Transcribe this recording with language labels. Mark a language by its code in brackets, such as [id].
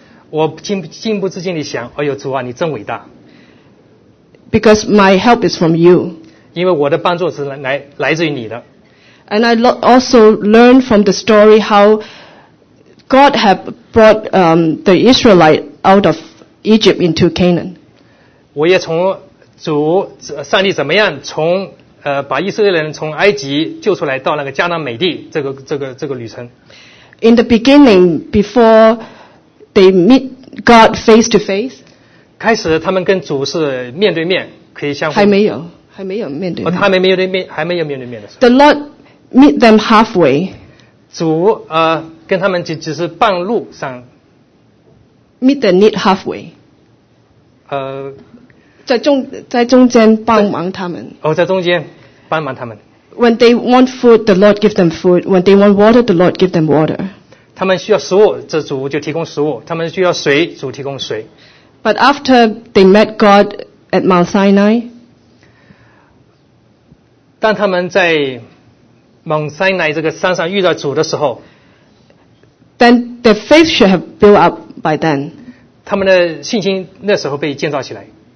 [zh] 我禁不住心里想，哎呦主啊，你真伟大。 [en] Because my help is from you. [zh] 因为我的帮助是来自于你的。 [en] And I also learned from the story how God had brought the Israelite out of Egypt into Canaan. [zh] 我也从主上帝怎么样从把以色列人从埃及救出来到那个迦南美地这个旅程。 [en] In the beginning, before they meet God face to face, [zh] 开始他们跟主是面对面，可以相互。还没有面对面。哦，还没有面对面的时候。 [en] The Lord meet them halfway. [zh] 主跟他们只是半路上。 [en] Meet the need halfway. [zh] 在中间帮忙他们。哦，在中间帮忙他们。 [en] When they want food, the Lord give them food. When they want water, the Lord give them water. [zh] 他们需要食物，这主就提供食物。他们需要水，主提供水。 [en] But after they met God at Mount Sinai, [zh] 当他们在 Mount Sinai 这个山上遇到主的时候， [en] then their faith should have built up by then. [zh] 他们的信心那时候被建造起来。